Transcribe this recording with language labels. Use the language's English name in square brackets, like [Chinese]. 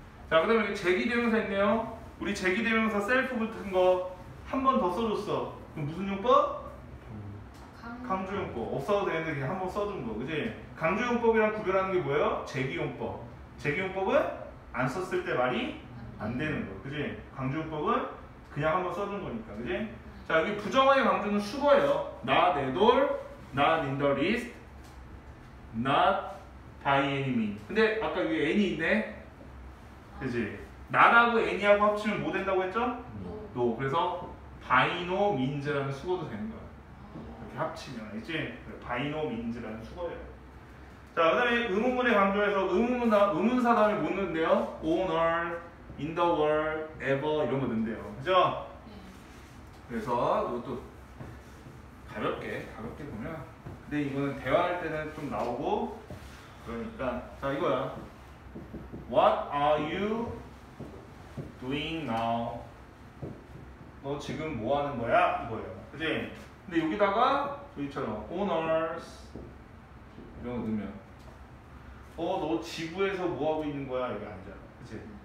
[Korean] 자, 그 다음에 제기대명사 있네요. 우리 제기대명사 셀프 붙은 거 한 번 더 써줬어. 그럼 무슨 용법? 강조용법. 없어도 되는데 그냥 한 번 써둔 거. 그지? 강조용법이랑 구별하는 게 뭐예요? 제기용법. 제기용법은 안 썼을 때 말이 안 되는 거. 그지? 강조용법은 그냥 한 번 써둔 거니까. 그지? 자, 여기 부정어의 강조는 슈거예요. [English] Not at all, not in the least, not by any mean. [Korean] 근데 아까 위에 any 있네. 그지? 나라고 any하고 합치면 뭐 된다고 했죠? [English] No. No. [Korean] 그래서 by no means라는 수거도 되는 거야. 이렇게 합치면 알지? by no means라는 수거예요. 자, 그 다음에 의문문에 강조해서 의문사 다음에 뭐 넣는데요? [English] owner, in the world, ever 이런 거 넣는데요. [Korean] 그죠? 그래서 이것도 가볍게 보면 근데 이거는 대화할 때는 좀 나오고 그러니까 자 이거야 [English] What are you doing now? [Korean] 너 지금 뭐 하는 거야? 이거예요 그치? 근데 여기다가 저희처럼 owners 이런 거 넣으면 어 너 지구에서 뭐 하고 있는 거야? 여기 앉아 그치?